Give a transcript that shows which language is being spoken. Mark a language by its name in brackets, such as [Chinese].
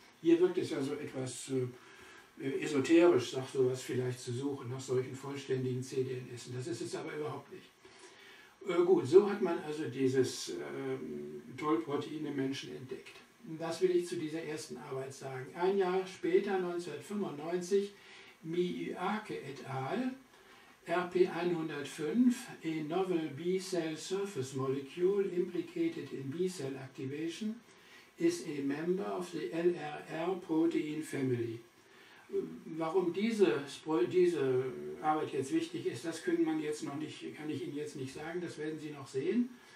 [German] Hier wirkt es ja so etwas esoterisch, sag sowas vielleicht zu suchen nach solchen vollständigen cDNS. Das ist es aber überhaupt nicht. Gut, so hat man also dieses Toll-Protein im Menschen entdeckt. Das will ich zu dieser ersten Arbeit sagen. [English] Ein Jahr später, 1995, Miyake et al., RP105, a novel B-cell surface molecule implicated in B-cell activation, is a member of the LRR protein family. [German] Warum diese Arbeit jetzt wichtig ist, das kann ich Ihnen jetzt nicht sagen, das werden Sie noch sehen.